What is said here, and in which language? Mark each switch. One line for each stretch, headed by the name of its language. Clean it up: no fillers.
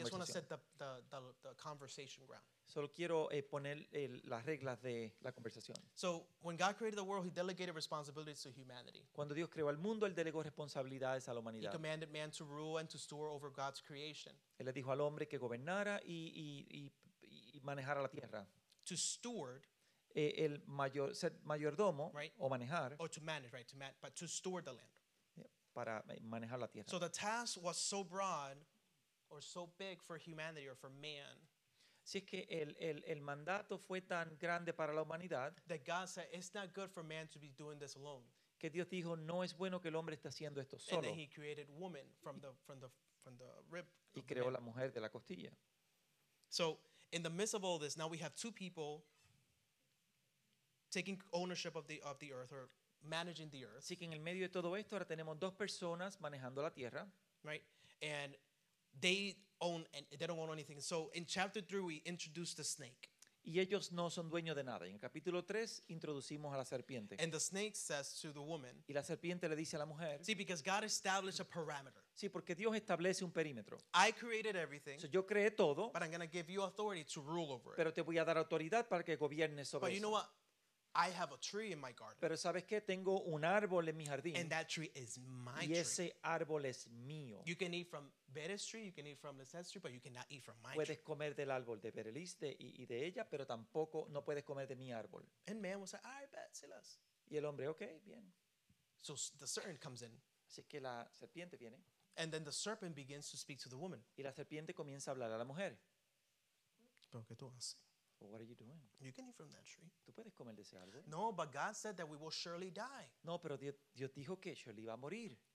English: I just want to set the conversation ground.
Spanish: Solo quiero poner las reglas de la conversación.
English: So when God created the world, he delegated responsibilities to humanity.
Spanish: Cuando Dios creó al mundo, él delegó responsabilidades a la humanidad.
English: He commanded man to rule and to steward over God's creation.
Spanish: Él le dijo al hombre que gobernara y manejara la tierra.
English: To steward.
Spanish: El mayor, ser mayordomo,
English: right?
Spanish: O manejar.
English: Or to manage, right? To manage, but to steward the land.
Spanish: para manejar la tierra.
English: So the task was so broad or so big for humanity or for man.
Spanish: Si es que el mandato fue tan grande para la humanidad.
English: That God said it's not good for man to be doing this alone.
Spanish: Que Dios dijo no es bueno que el hombre esté haciendo esto solo.
English: And then he created woman from the rib.
Spanish: Y creó la mujer de la costilla.
English: So in the midst of all this, now we have two people taking ownership of the earth or managing the earth.
Spanish: Así que en el medio de todo esto ahora tenemos dos personas manejando la tierra.
English: Right, and they don't own anything. So in chapter 3 we introduce the snake.
Spanish: Y ellos no son dueños de nada. En el capítulo 3 introducimos a la serpiente.
English: And the snake says to the woman.
Spanish: Y la serpiente le dice a la mujer.
English: See, because God established a parameter.
Spanish: Sí, porque Dios establece un perímetro.
English: I created everything.
Spanish: So yo creé todo.
English: But I'm going to give you authority to rule over it.
Spanish: Pero te voy a dar autoridad para que gobiernes sobre
English: eso. But you know what? I have a tree in my garden.
Spanish: Pero sabes qué, tengo un árbol en mi jardín.
English: And that tree is my tree.
Spanish: Y ese árbol es mío.
English: You can eat from Beres tree, you can eat from Lisette's tree, but you cannot eat from my tree.
Spanish: Puedes comer del árbol de Berelis y de ella, pero tampoco no puedes comer de mi árbol.
English: And man was like, I bet, Silas.
Spanish: Y el hombre, okay, bien.
English: So the serpent comes in.
Spanish: Así que la serpiente viene.
English: And then the serpent begins to speak to the woman.
Spanish: Y la serpiente comienza a hablar a la mujer. ¿Pero qué tú haces?
English: What are you doing? You can eat from that tree.
Spanish: ¿Tú puedes comer de ese árbol?
English: No, but God said that we will surely die.
Spanish: No, pero Dios dijo que
English: surely
Spanish: iba a morir.